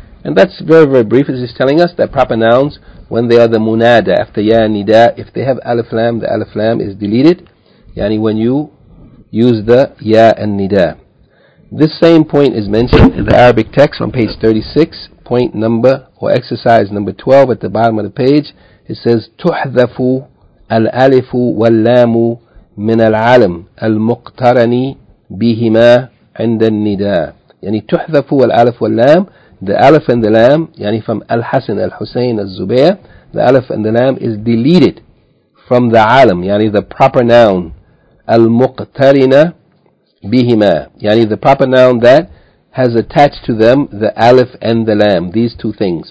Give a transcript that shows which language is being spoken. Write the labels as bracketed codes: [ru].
[en] And that's very, very brief. It's just telling us that proper nouns, when they are the munada, after ya and nida, if they have alif lam, the alif lam is deleted. Yani when you use the ya and nida. This same point is mentioned in the Arabic text on page 36, point number, or exercise number 12 at the bottom of the page. It says, [ar] تُحْذَفُ الْأَلِفُ وَاللَّامُ مِنَ الْعَلَمِ الْمُقْتَرَنِ بِهِمَا عِنْدَ النِّدَاءِ. يعني تُحْذَفُ الْأَلِفُ وَاللَّامُ, [en] the Aleph and the Lam, yani from Al-Hasan, Al-Husayn, Al-Zubayr, the Aleph and the Lam is deleted from the Alam, yani the proper noun, Al-Muqtarina Bihima, yani the proper noun that has attached to them the Aleph and the Lam, these two things.